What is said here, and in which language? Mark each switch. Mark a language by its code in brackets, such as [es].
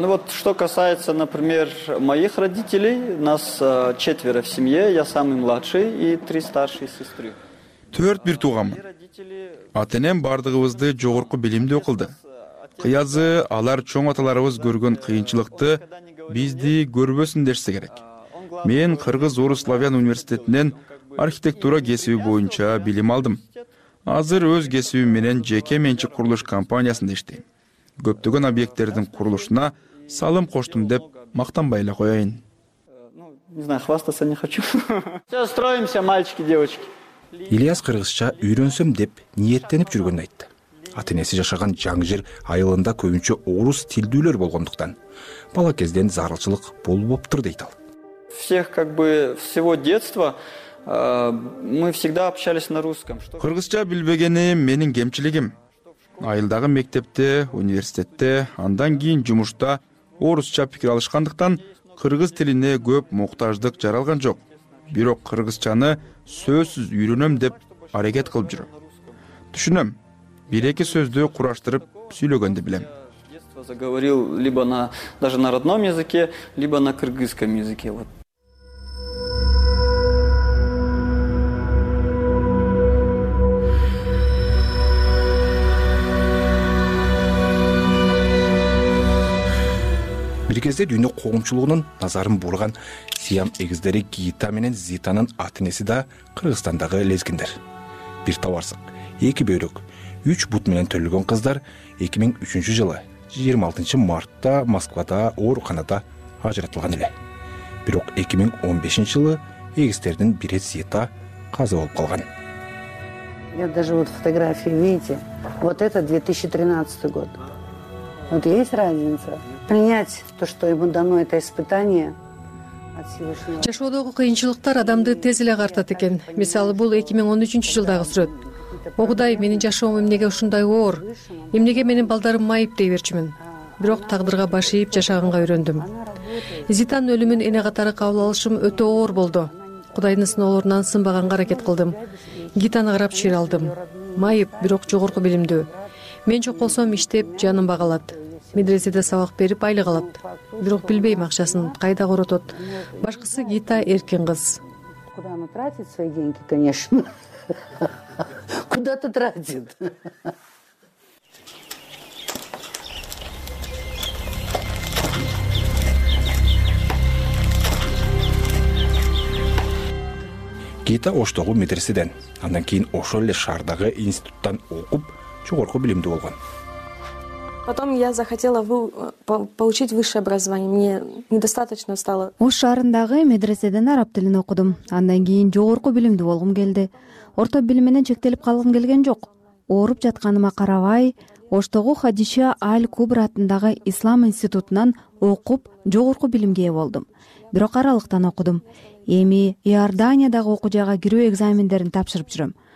[ru] Что касается, например, моих родителей, нас четверо в семье, я самый младший и три старшие сестры. [ky] Төрт бир тууганмын. Атенем бардыгыбызды жогорку билимде окулду. Кыязы алар чоң аталарыбыз көргөн кыйынчылыкты бизди көрбөсүн дешсе керек. Мен кыргыз орус славян университетинен архитектура кесиби боюнча билим алдым. Азыр өз кесибим менен жеке менчик курулуш компаниясында иштейм. Көптөгөн объекттердин курулушуна салым коштум деп мактанбай эле коёюн. [ru] Не знаю, хвастаться не хочу. Все строимся, мальчики, девочки. [ky] Ильяс кыргызча үйрөнсөм деп ниеттенип жүргөнүн айтты. Атенеси жашаган жаңы жер айылында көбүнчө орус тилдүүлөр болгондуктан бала кезден зарылчылык болбоптур дейт ал. [ru] Всех как бы всего детства мы всегда общались на русском. [ky] Кыргызча билбегени менин кемчилигим. Айылдагы мектепте, университетте, андан кийин жумушта орусча пикир алышкандыктан кыргыз тилине көп муктаждык жаралган жок. Бирок кыргызчаны сөзсүз үйрөнөм деп аракет кылып жүрөм. Түшүнөм. Бир эки сөздү кураштырып сүйлөгөндү билем. [ru] Заговорил либо на даже на родном языке, либо на кыргызском языке. Вот. [ky] Бир кезде дүйнө коомчулугунун назарын бурган сиям эгиздери Гита менен Зитанын атенеси да Кыргызстандагы лезгиндер. Бир табарсык, эки бөйрөк, үч бут менен төрөлгөн кыздар 2003 жылы 26 мартта Москвада ооруканада ажыратылган эле. Бирок 2015 жылы эгиздердин бири Зита каза болуп калган. [ru] Я даже вот фотографии видите, вот это 2013 год. Вот есть разница. Принять то, что ему дано это испытание. [ky] Жашоодогу кыйынчылыктар адамды тез эле агартат экен. Мисалы бул 2013 жылдагы сүрөт. О Кудай, менин жашоом эмнеге ушундай оор? Эмнеге менин балдарым майып дей берчүмүн? Бирок тагдырга баш ийип жашаганга үйрөндүм. Зитанын өлүмүн эне катары кабыл алышым өтө оор болду. Кудайдын сыноолорунан сынбаганга аракет кылдым. Гитаны карап чыйыр алдым. Майып, бирок жогорку билимдүү. Мен жок болсом иштеп, жанын багалат. Медреседе сабак берип айлык алат. Бирок билбейм акчасын кайда коротот. Башкысы Гита эркин кыз. [ru] Куда она тратит свои деньги, конечно. Куда-то тратит. [ky] Гита Оштогу медреседен, андан кийин ошол эле шаардагы институттан окуп, жогорку билимдүү болгон. [ru] Потом я захотела получить высшее образование. Мне недостаточно стало. [ky] Ош шаарындагы медреседен араб тилин окудум. Андан кийин жогорку билимдүү болгум келди. Орто билим менен чектелип калгым келген жок. Ооруп жатканыма карабай, Оштогу Хадиша Аль-Кубра атындагы Ислам институтунан окуп, жогорку билимге ээ болдум. Бирок аралыктан окудум. Эми Иорданиядагы окуу жайга кирүү экзамендерин тапшырып жүрөм.